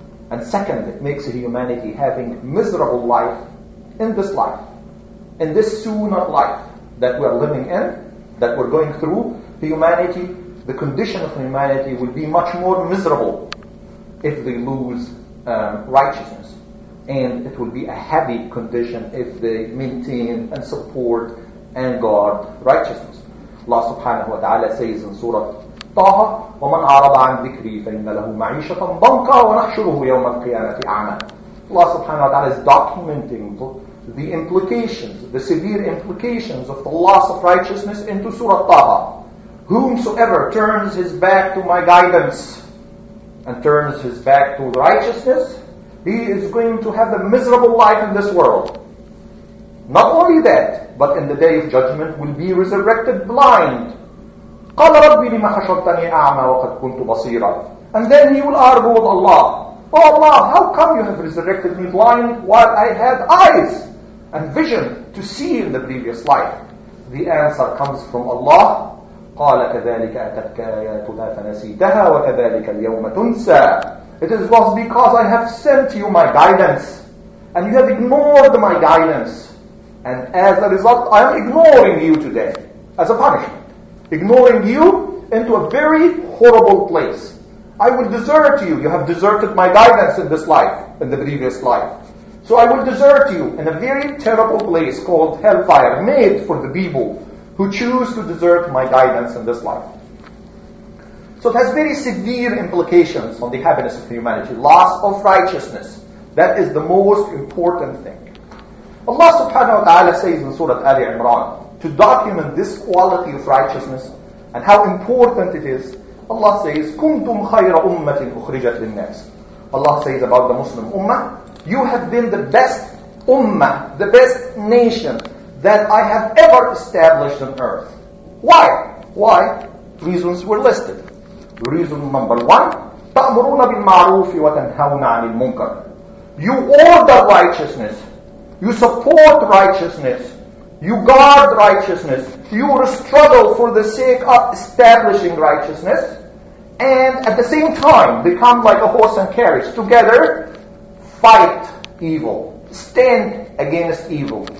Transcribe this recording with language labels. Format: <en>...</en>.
<en>And second, it makes a humanity having miserable life in this life, in this sooner life that we're living in, that we're going through. The condition of humanity will be much more miserable if they lose righteousness. And it will be a heavy condition if they maintain and support and guard righteousness. Allah subhanahu wa ta'ala says in Surah Taha,</en> <ar>وَمَنْ أَعْرَضَ عَنْ ذِكْرِي فَإِنَّ لَهُ مَعِيشَةً ضَنْكًا وَنَحْشُرُهُ يَوْمَ الْقِيَامَةِ أَعْمَى.</ar> <en>Allah subhanahu wa ta'ala is documenting the implications, the severe implications of the loss of righteousness into Surah Taha. Whomsoever turns his back to my guidance and turns his back to righteousness, he is going to have a miserable life in this world. Not only that, but in the day of judgment will be resurrected blind.</en> <ar>قَالَ رَبِّي لِمَ حَشَرْتَنِي أَعْمَى وَقَدْ كُنْتُ بَصِيرًا.</ar> <en>And then he will argue with Allah, "Oh Allah, how come you have resurrected me blind while I had eyes and vision to see in the previous life?" The answer comes from Allah,</en> <ar>قَالَ كَذَلِكَ أَتَتْكَ آيَاتُنَا فَنَسِيتَهَا وَكَذَلِكَ الْيَوْمَ تُنْسَى.</ar> <en>It was because I have sent you my guidance and you have ignored my guidance. And as a result, I am ignoring you today as a punishment. Ignoring you into a very horrible place. I will desert you. You have deserted my guidance in this life, in the previous life. So I will desert you in a very terrible place called hellfire, made for the people who choose to desert my guidance in this life. So it has very severe implications on the happiness of humanity. Loss of righteousness. That is the most important thing. Allah subhanahu wa ta'ala says in Surah Ali Imran, to document this quality of righteousness and how important it is, Allah says,</en> <ar>كُنْتُمْ خَيْرَ أُمَّةٍ أُخْرِجَتْ لِلنَّاسِ.</ar> <en>Allah says about the Muslim ummah, you have been the best ummah, the best nation that I have ever established on earth. Why? Why? Reasons were listed. Reason number one,</en> <ar>تَأْمُرُونَ بِالْمَعْرُوفِ وَتَنْهَوْنَ عَنِ الْمُنْكَرِ.</ar> <en>You order righteousness. You support righteousness. You guard righteousness. You struggle for the sake of establishing righteousness. And at the same time, become like a horse and carriage. Together, fight evil. Stand against evil.</en>